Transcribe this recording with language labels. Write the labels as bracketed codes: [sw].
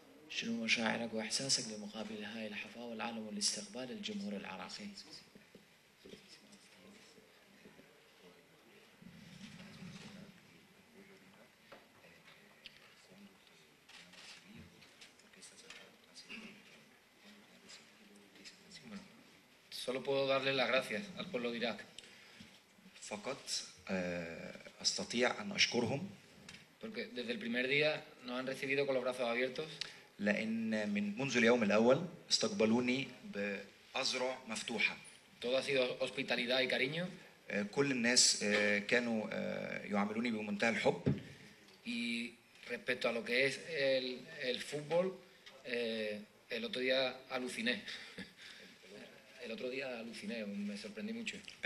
[ar] شنو مشاعرك واحساسك لمقابل هاي الحفاوة العالم والاستقبال الجمهور العراقي؟ [es] solo puedo darle las gracias al pueblo de Irak. [ar] فقط استطيع ان اشكرهم. [es] Porque desde el primer día nos han recibido con los brazos abiertos. [ar] لان من منذ اليوم الاول استقبلوني بأذرع مفتوحه. [es] Todo ha sido hospitalidad y cariño. [ar] كل الناس كانوا يعاملوني بمنتهى الحب. [es] Y respecto a lo que es el fútbol, el otro día aluciné. El otro día aluciné, me sorprendí mucho.